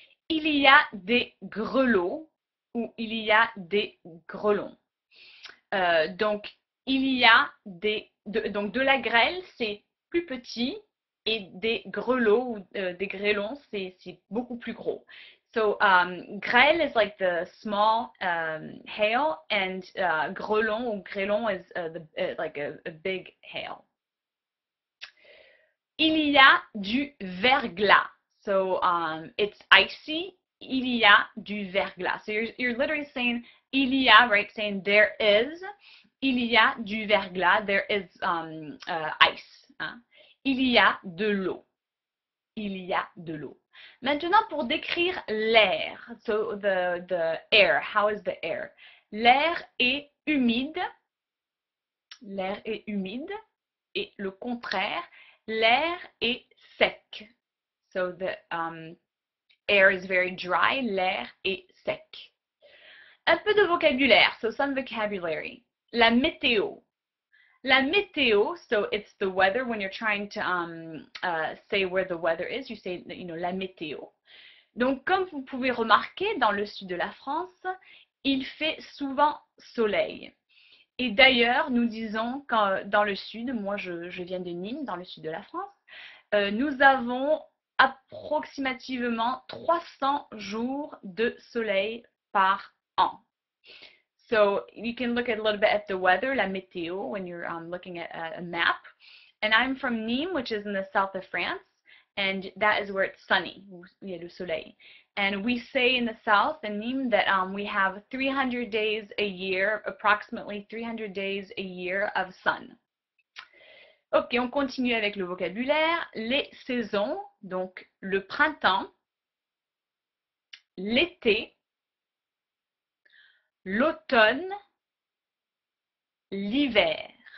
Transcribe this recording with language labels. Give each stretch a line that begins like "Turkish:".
French: Il y a des grelots ou il y a des grelons. Donc, il y a de la grêle, c'est plus petit, et des grelots ou des grêlons, c'est beaucoup plus gros.
English: So, grêle is like the small hail, and grelon ou grêlon is like a big hail.
French: Il y a du verglas.
English: So, it's icy.
French: Il y a du verglas.
English: So, you're literally saying,
French: il y a,
English: right? Saying, there is.
French: Il y a du verglas.
English: There is ice.
French: Hein? Il y a de l'eau. Il y a de l'eau. Maintenant, pour décrire l'air.
English: So, the air. How is the air?
French: L'air est humide. L'air est humide. Et le contraire, l'air est sec.
English: So, the air is very dry,
French: l'air est sec. Un peu de vocabulaire,
English: so some vocabulary.
French: La météo.
English: La météo, so it's the weather, when you're trying to say where the weather is, you say, you know, la météo.
French: Donc, comme vous pouvez remarquer, dans le sud de la France, il fait souvent soleil. Et d'ailleurs, nous disons que dans le sud, moi je viens de Nîmes, dans le sud de la France, nous avons approximativement 300 jours de soleil par an.
English: So you can look at a little bit at the weather, la météo, when you're looking at a map. And I'm from Nîmes, which is in the south of France, and that is where it's sunny,
French: où il y a le soleil.
English: And we say in the south, in Nîmes, that we have 300 days a year, approximately 300 days a year of sun.
French: Ok, on continue avec le vocabulaire. Les saisons, donc le printemps, l'été, l'automne, l'hiver.